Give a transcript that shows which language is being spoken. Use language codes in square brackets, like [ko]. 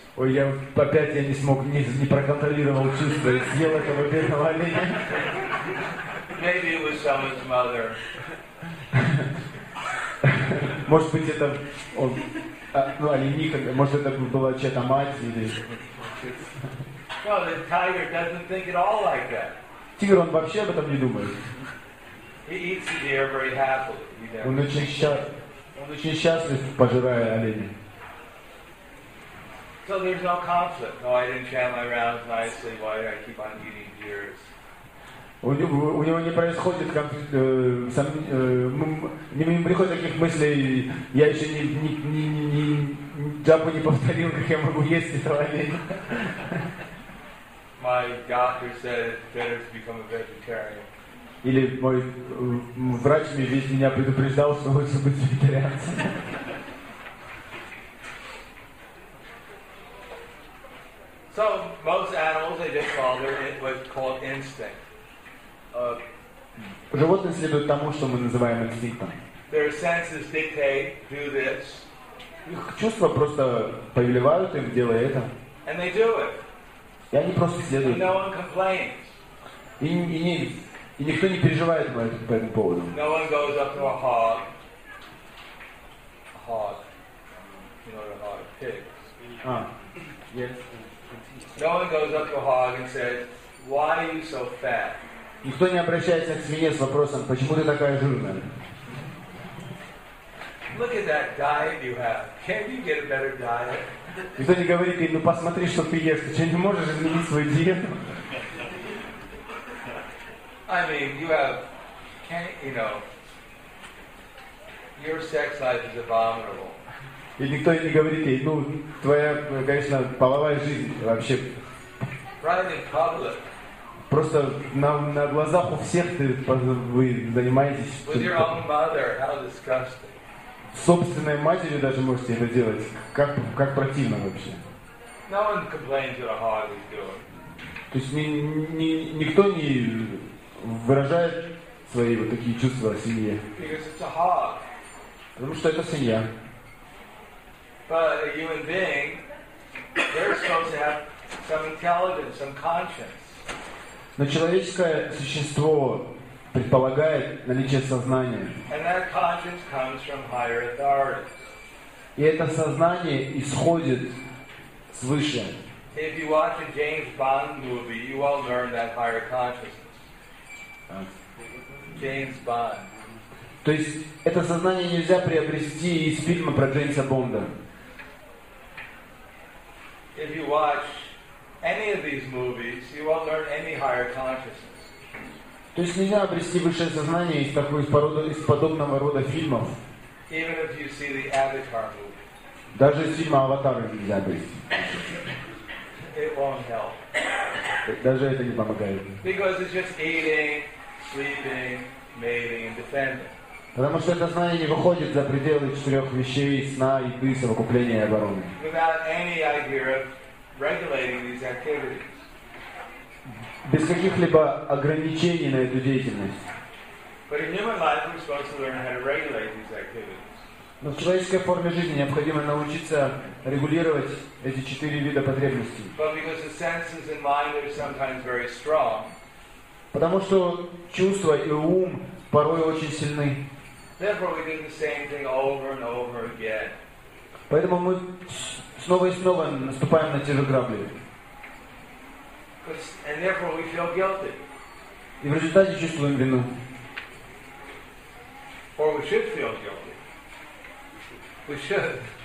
[ru] Ой, я опять я не смог, не проконтролировал чувства, съел этого бедного оленя. [en] Maybe it was someone's mother. [ru] Может быть, это он, ну, оленика, может, это была чья-то мать или. [en] No, the tiger doesn't think at all like that. [ru] Тигр, он вообще об этом не думает. [en] He eats the deer very happily. [ru] Он очень счастлив, пожирая оленя. [en] So there's no conflict. Oh, I didn't chant my rounds nicely. Why do I keep on eating deers? [ru] У него не происходит не приходит таких мыслей, я еще не джапу не повторил, как я могу есть этого оленя. [en] My doctor said it's better to become a vegetarian. [ru] Или мой врач мне весь меня предупреждал, что лучше быть вегетарианцем. [en] So most animals they just follow what's called instinct. [ru] Животные следуют тому, что мы называем инстинктом. [en] Their senses dictate, do this. [ru] Их чувства просто повелевают им, делай это. [en] And they do it. [ru] И они просто следуют. [en] No one complains. [ru] И никто не переживает по этому поводу. [en] No one goes up to a hog. A hog. You know what a hog is? Pigs. Yes. No one goes up to a hog and says, why are you so fat? [ru] Никто не обращается к свинье с вопросом, почему ты такая жирная? [en] look at that diet you have. Can you get a better diet? [ru] Никто не говорит ей, ну посмотри, что ты ешь, ты что, не можешь изменить свою диету? [en] I mean, you have, can't, you know, your sex life is abominable. [ru] И никто не говорит ей, ну, твоя, конечно, половая жизнь вообще. [en] Right in public. [ru] Просто на глазах у всех вы занимаетесь. [en] With your own mother, how disgusting. [ru] Собственной матерью даже можете это делать. Как противно вообще. [en] No one complains at a hard he's doing. [ru] То есть никто не выражает свои вот такие чувства о семье. [en] Because it's a hard. [ru] Потому что это семья. [en] But a human being, they're supposed to have some intelligence, some conscience. [ru] Но человеческое существо предполагает наличие сознания. [en] And that conscience comes from higher authorities. [ru] И это сознание исходит свыше. [en] If you watch a James Bond movie, you all learn that higher consciousness. James Bond. [ru] То есть это сознание нельзя приобрести из фильма про Джеймса Бонда. [en] If you watch any of these movies, you won't learn any higher consciousness. [ru] То есть нельзя обрести высшее сознание из такой породы, из подобного рода фильмов. [en] Even if you see the Avatar movie. [ru] Даже из фильма «Аватар» нельзя обрести. [en] It won't help. [ru] Даже это не помогает. [en] Because it's just eating, sleeping, mating, and defending. [ru] Потому что это знание не выходит за пределы четырех вещей: сна, еды, совокупления и обороны. [en] Without any idea of regulating these activities. [ru] Без каких-либо ограничений на эту деятельность. [en] But in human life, we're supposed to learn how to regulate these activities. [ru] Но в человеческой форме жизни необходимо научиться регулировать эти четыре вида потребностей. [en] But because the senses and mind are sometimes very strong. [ru] Потому что чувства и ум порой очень сильны. [en] Therefore, we do the same thing over and over again. [ru] Поэтому мы снова и снова наступаем на те же грабли. [en] And therefore, we feel guilty. [ru] И в результате чувствуем вину. [en] Or we should feel guilty. We should.